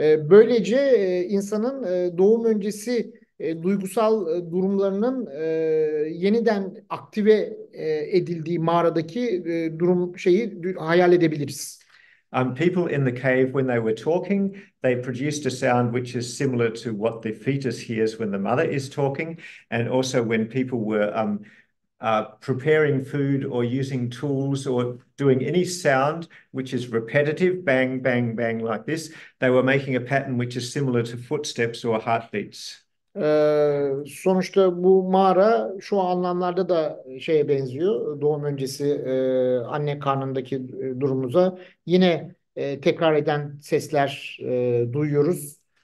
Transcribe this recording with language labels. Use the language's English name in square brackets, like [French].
[Turkish] Böylece insanın doğum öncesi duygusal durumlarının yeniden aktive edildiği mağaradaki durum şeyi hayal edebiliriz. [English] People in the cave, when they were talking, they produced a sound which is similar to what the fetus hears when the mother is talking, and also when people were preparing food or using tools or doing any sound which is repetitive, bang, bang, bang, like this, they were making a pattern which is similar to footsteps or heartbeats. [Turkish] Sonuçta bu mağara şu anlamlarda da şeye benziyor. Doğum öncesi anne karnındaki durumumuza yine tekrar eden sesler duyuyoruz.